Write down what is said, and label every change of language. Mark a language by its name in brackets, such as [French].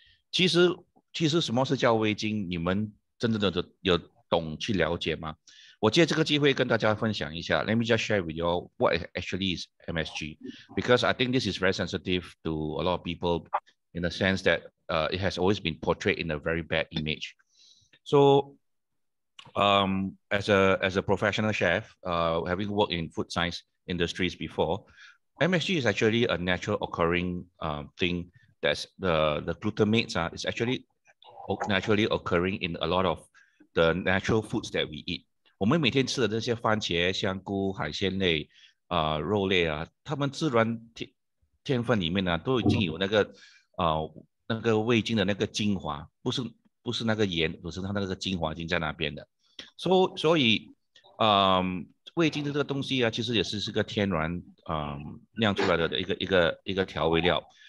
[Chinese] 其实什么是叫味精？你们真正的有懂去了解吗？我借这个机会跟大家分享一下 [English] ，Let me just share with you all what actually is MSG, because I think this is very sensitive to a lot of people, in the sense that it has always been portrayed in a very bad image. So, as a professional chef, having worked in food science industries before, MSG is actually a natural occurring thing. That's the glutamates are is actually naturally occurring in a lot of the natural foods that we eat. [Chinese] 我们每天吃的这些番茄、香菇、海鲜类、肉类啊，它们自然 天分里面呢、啊，都已经有那个那个味精的那个精华，不是那个盐，不是它那个精华已经在那边的。所以，味精的这个东西啊，其实也是个天然酿出来的一个调味料。